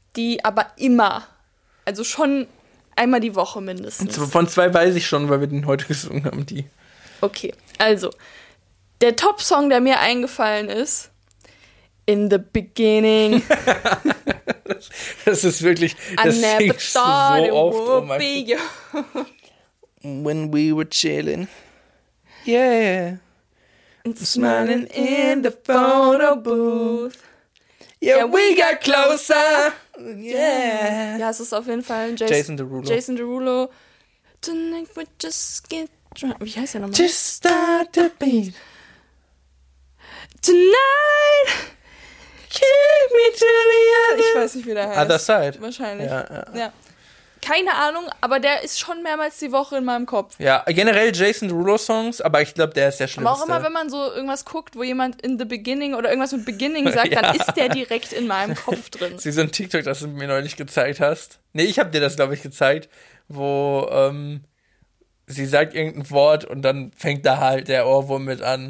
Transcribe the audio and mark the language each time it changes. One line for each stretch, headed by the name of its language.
German: Die aber immer, also schon einmal die Woche mindestens. Und von 2 weiß ich schon, weil wir den heute gesungen haben, die. Okay, also, der Top-Song, der mir eingefallen ist, In the Beginning. Das ist wirklich, das singst du so oft. Oh mein Gott.
English: When we were chilling, yeah, and smiling in the photo booth, yeah, we got closer, yeah.
German: Ja, es ist auf jeden Fall Jason Derulo.
English: Jason Derulo. Tonight we just get drunk.
German: Wie heißt er nochmal?
English: Just start to beat. Tonight, kick me to the other.
German: Ich weiß nicht, wie der heißt.
English: Other side.
German: Wahrscheinlich. Ja. Keine Ahnung, aber der ist schon mehrmals die Woche in meinem Kopf. Ja, generell Jason Derulo-Songs, aber ich glaube, der ist der Schlimmste. Warum immer, wenn man so irgendwas guckt, wo jemand in the beginning oder irgendwas mit beginning sagt, ja, dann ist der direkt in meinem Kopf drin. Sie so ein TikTok, das du mir neulich gezeigt hast. Nee, ich habe dir das, glaube ich, gezeigt, wo sie sagt irgendein Wort und dann fängt da halt der Ohrwurm mit an.